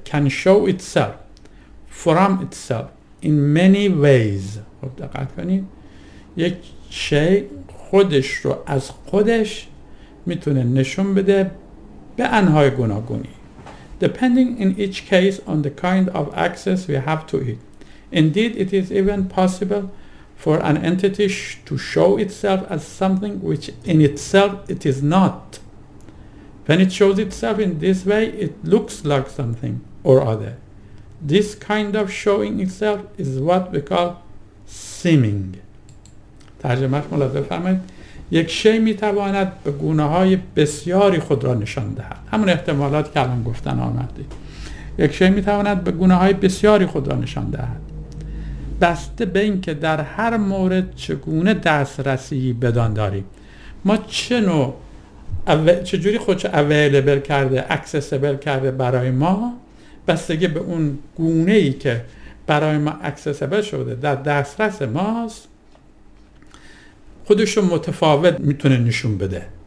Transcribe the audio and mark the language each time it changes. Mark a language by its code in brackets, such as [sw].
[en] Can show itself from itself in many ways. [fa] خب دقت کنید. یک شی خودش رو از خودش میتونه نشون بده به انهای گوناگونی. [en] Depending in each case on the kind of access we have to it. Indeed, it is even possible for an entity to show itself as something which in itself it is not. When it shows itself in this way, it looks like something or other. This kind of showing itself is what we call seeming. [fa] ترجمه ملاحظه فرمایید. یک شی میتواند به گونه های بسیاری خود را نشان دهد. همون احتمالات که الان گفتن آمدید. یک شی میتواند به گونه های بسیاری خود را نشان دهد. بسته به اینکه در هر مورد چگونه دسترسی بدان داریم، ما چه نوع چجوری خودش اویلیبل کرده، اکسسبل کرده برای ما، بستگی به اون گونه ای که برای ما اکسسبل شده در دسترس ماست خودشو متفاوت میتونه نشون بده.